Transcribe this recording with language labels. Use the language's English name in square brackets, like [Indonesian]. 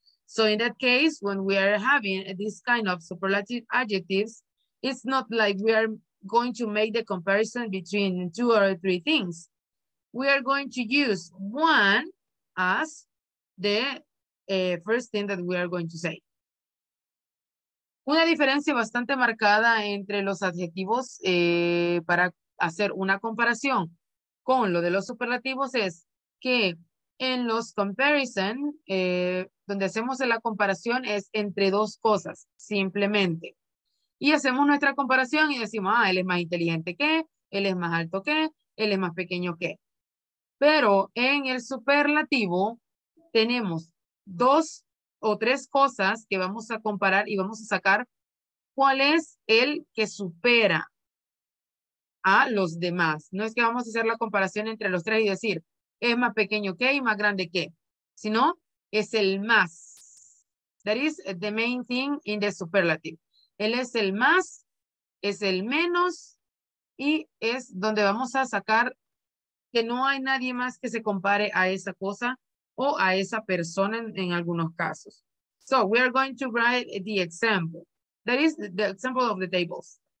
[English] So in that case, when we are having this kind of superlative adjectives, it's not like we are going to make the comparison between two or three things. We are going to use one as the first thing that we are going to say. [Spanish] Una diferencia bastante marcada entre los adjetivos para hacer una comparación con lo de los superlativos es que en los comparison, donde hacemos la comparación es entre dos cosas, simplemente. Y hacemos nuestra comparación y decimos, ah, él es más inteligente que, él es más alto que, él es más pequeño que. Pero en el superlativo tenemos dos o tres cosas que vamos a comparar y vamos a sacar cuál es el que supera a los demás. No es que vamos a hacer la comparación entre los tres y decir, es más pequeño que y más grande que, sino es el más. [English] That is the main thing in the superlative. [Spanish] Él es el más, es el menos, y es donde vamos a sacar que no hay nadie más que se compare a esa cosa o a esa persona en algunos casos. [English] So we are going to write the example. That is the example of the tables.